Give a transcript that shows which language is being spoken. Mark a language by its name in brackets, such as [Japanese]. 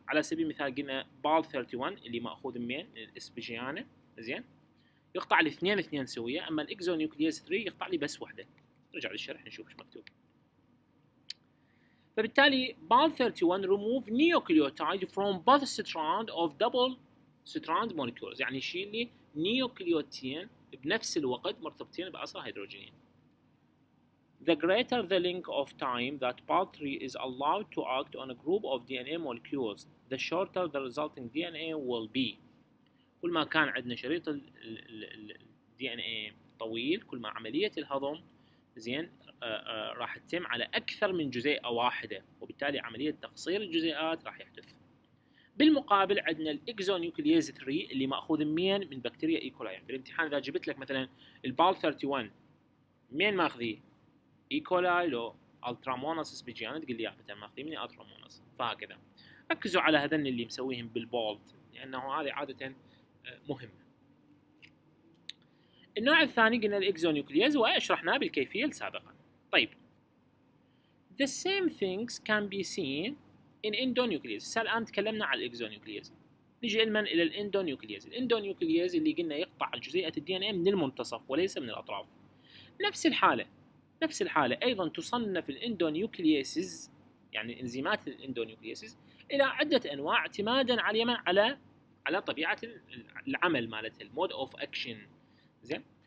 [Arabic] على سبيل المثال قلنا بال 31 اللي ماخوذ من الاسبيجيانا زين يقطع لي 2 سويه اما الاكزونيوكليس 3 يقطع لي بس وحده. نرجع للشرح نشوف ايش مكتوب. فبالتالي بال 31 [English] remove nucleotide from both strand of double strand molecules [Arabic] يعني يشيل لي نيوكليوتين بنفس الوقت مرتبطين بأصل هيدروجينين. [English] The greater the length of time that Bal 3 is allowed to act on a group of DNA molecules, the shorter the resulting DNA will be. [Arabic] كل ما كان عندنا شريط ال DNA طويل كل ما عملية الهضم زين راح تتم على أكثر من جزيئة واحدة وبالتالي عملية تقصير الجزيئات راح يحدث. بالمقابل عندنا الإكزونيوكليز 3 اللي مأخوذ مين من بكتيريا إيكولاي. يعني بالامتحان إذا جبت لك مثلا البال 31 مين ماخذي إيكولاي لو ألتراموناس سبيجيانا تقول لي يا مثلا ماخذي من ألتراموناس. فهكذا ركزوا على هذن اللي مسويهم بالبولد لأنه هذه عادة مهمة. النوع الثاني قلنا الإكزونيوكليز وأشرحناه بالكيفية السابقة. طيب [English] The same things can be seen in endonuclease. [Arabic] الآن تكلمنا على الإكزونيوكليز. نجي المن إلى الإندونيوكليز. الإندونيوكليز اللي قلنا يقطع جزيئة الدي إن إيه من المنتصف وليس من الأطراف. نفس الحالة. أيضا تصنف الإندونيوكليز يعني إنزيمات الإندونيوكليز إلى عدة أنواع اعتمادا على يمن على طبيعة العمل مالتها المود أوف أكشن. زين.